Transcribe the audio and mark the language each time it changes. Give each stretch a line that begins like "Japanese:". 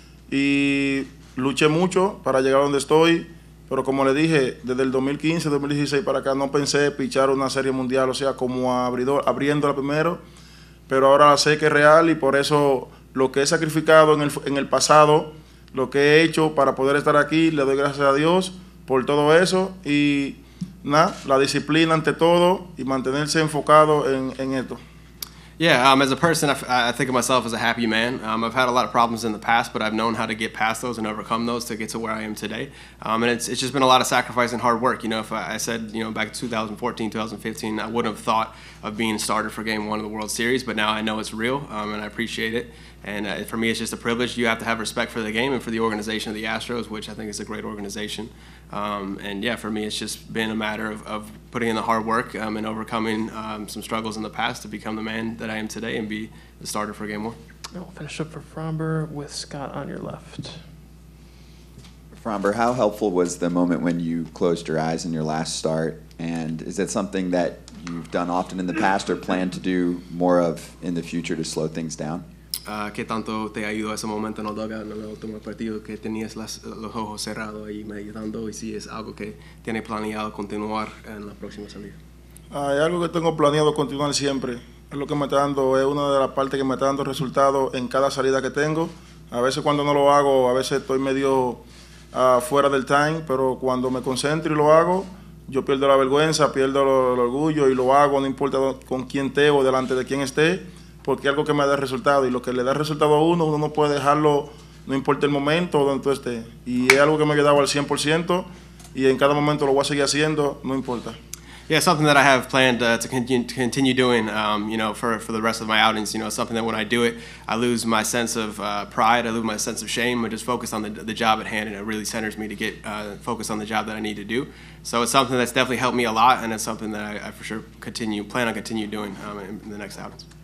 Spanish: Y luché mucho para llegar donde estoy, pero como le dije, desde el 2015, 2016 para acá no pensé pichar una Serie Mundial, o sea, como abridor, abriéndola primero, pero ahora sé que es real y por eso lo que he sacrificado en el pasado, lo que he hecho para poder estar aquí, le doy gracias a Dios por todo eso. Y nada, la disciplina ante todo y mantenerse enfocado en esto.
English: Yeah, as a person, I think of myself as a happy man. I've had a lot of problems in the past, but I've known how to get past those and overcome those to get to where I am today. And it's just been a lot of sacrifice and hard work. You know, if I said, you know, back in 2014, 2015, I wouldn't have thought of being starter for game one of the World Series, but now I know it's real, and I appreciate it. And for me, it's just a privilege. You have to have respect for the game and for the organization of the Astros, which I think is a great organization. And yeah, for me, it's just been a matter of putting in the hard work and overcoming some struggles in the past to become the man that I am today and be the starter for game one. We'll finish up for Fromber with Scott on your left. Fromber, how helpful was the moment when you closed your eyes in your last start? And is that something that you've done often in the past or plan to do more of in the future to slow things down?
Spanish: ¿Qué tanto te ayudó ese momento en el dugout, en el último partido, que tenías los ojos cerrados y meditando, y si es algo que tienes planeado continuar en la próxima salida? Hay algo que tengo planeado continuar siempre. Es lo que me está dando, es una de las partes que me está dando resultados en cada salida que tengo. A veces cuando no lo hago, a veces estoy medio fuera del time, pero cuando me concentro y lo hago, yo pierdo la vergüenza, pierdo el orgullo y lo hago, no importa con quién esté o delante de quién esté, porque algo que me da resultado, y lo que le da resultado a uno, uno no puede dejarlo, no importa el momento o donde tú estés. Y es algo que me ha quedado al 100%, y en cada momento lo voy a seguir haciendo, no importa.
English: Yeah, something that I have planned to continue doing, you know, for the rest of my outings. You know, something that when I do it, I lose my sense of pride, I lose my sense of shame, I just focus on the job at hand, and it really centers me to get focused on the job that I need to do. So it's something that's definitely helped me a lot, and it's something that I for sure plan on continue doing in the next outings.